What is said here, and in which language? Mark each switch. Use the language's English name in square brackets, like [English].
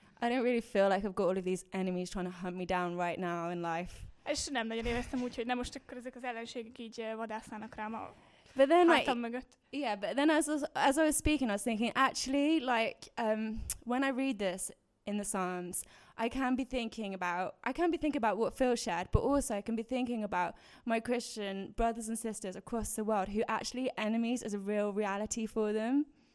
[English] I don't really feel like I've got all of these enemies trying to hunt me down right now in life. [Hungarian] És nem nagyon éreztem úgy, hogy nem most akkor ezek az ellenségek így vadásznának rám a hátam mögött. [English] Yeah, but then as I was speaking, I was thinking, actually, like, when I read this in the Psalms, I can be thinking about what Phil shared, but also I can be thinking about my Christian brothers and sisters across the world who actually enemies is a real reality for them.